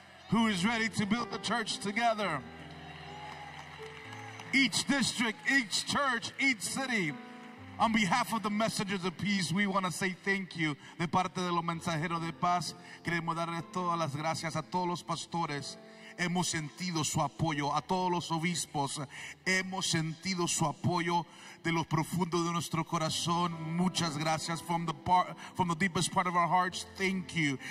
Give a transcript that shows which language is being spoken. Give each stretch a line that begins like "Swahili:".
English: Who is ready to build the church together? Each district, each church, each city. On behalf of the messengers of peace, we want to say thank you.
Spanish: De parte de los mensajeros de paz, queremos darles todas las gracias a todos los pastores. Hemos sentido su apoyo. A todos los obispos, hemos sentido su apoyo de lo profundo de nuestro corazón. Muchas gracias.
English: From the deepest part of our hearts, thank you.